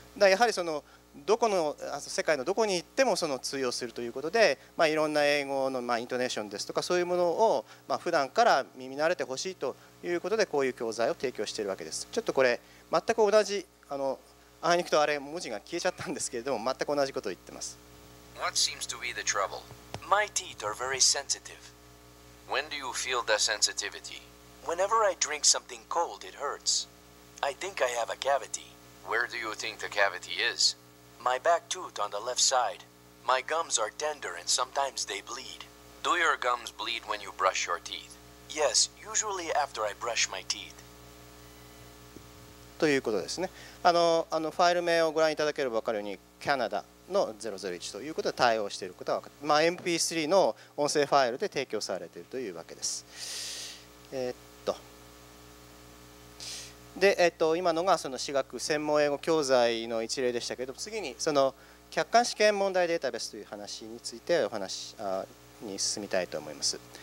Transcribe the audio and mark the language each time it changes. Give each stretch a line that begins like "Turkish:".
Japanese: だやはりそのどこの世界のどこに行ってもその通用するということで、まあ、いろんな英語のまあイントネーションですとか、そういうものをまあ普段から耳慣れてほしいということで、こういう教材を提供しているわけです。ちょっとこれ全く同じ、あいにくとあれ文字が消えちゃったんですけれども、全く同じことを言ってます。
English: What seems to be the trouble? My teeth are very sensitive. When do you feel the sensitivity? Whenever I drink something cold, it hurts. I think I have a cavity. Where do you think the cavity is? My back tooth on the left side. My gums are tender and sometimes they bleed. Do your gums bleed when you brush your teeth? Yes, usually after I brush my teeth.
Japanese: ということですね。ファイル名をご覧いただければ分かるように、カナダの001ということで対応していることは、まあ、MP3 の音声ファイルで提供されているというわけです。で今のがその私学専門英語教材の一例でしたけれども、次にその客観試験問題データベースという話についてお話に進みたいと思います。